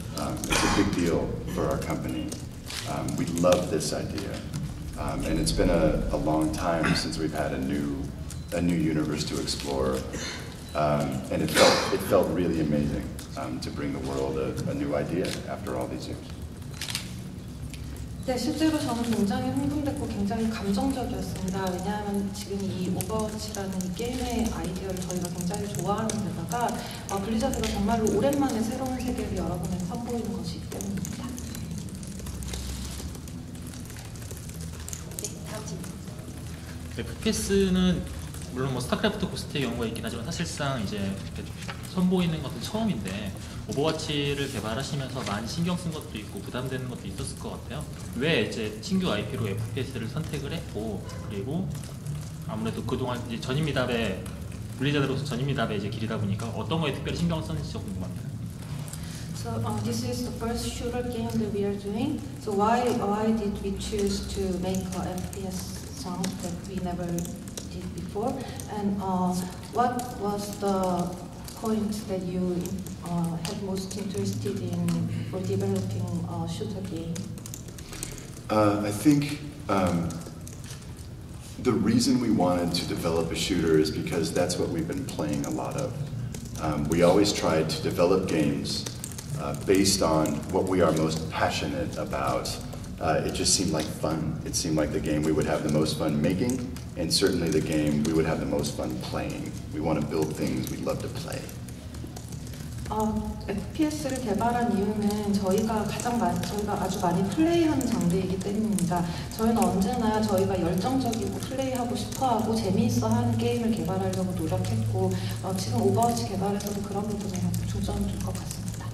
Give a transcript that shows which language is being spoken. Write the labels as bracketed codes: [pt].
[en] It's a big deal for our company. We love this idea. And it's been a long time since we've had a new universe to explore. And it felt really amazing to bring the world a new idea after all these years. [ko] 네, 실제로 저는 굉장히 흥분됐고 굉장히 감정적이었습니다. 왜냐하면 지금 이 오버워치라는 게임의 아이디어를 저희가 굉장히 좋아하는 데다가 블리자드가 정말로 오랜만에 새로운 세계를 여러분에게 선보이는 것이기 때문입니다. 네, 다음 질문. 네, 프피스는 물론 뭐 스타크래프트 고스트의 경우가 있긴 하지만 사실상 이제 선보이는 것도 처음인데 오버워치를 개발하시면서 많이 신경 쓴 것도 있고 부담되는 것도 있었을 것 같아요. 왜 이제 신규 IP로 FPS를 선택을 했고 그리고 아무래도 그동안 이제 전임 미답의 블리자드로서 전임 미답의 이제 길이다 보니까 어떤 거에 특별히 신경 썼는지 좀 궁금합니다. [en] So this is the first shooter game that we are doing. So why did we choose to make a FPS song that we never did before? And what was the point that you had most interested in for developing a shooter game? I think the reason we wanted to develop a shooter is because that's what we've been playing a lot of. We always tried to develop games based on what we are most passionate about. It just seemed like fun. It seemed like the game we would have the most fun making, and certainly the game we would have the most fun playing. We want to build things we'd love to play. [ko] FPS를 개발한 이유는 저희가 아주 많이 플레이하는 장르이기 때문입니다. 저희는 언제나 저희가 열정적이고 플레이하고 싶어하고 재미있어하는 게임을 개발하려고 노력했고 지금 오버워치 개발에서도 그런 부분에 아주 중점을 둘 것 같습니다.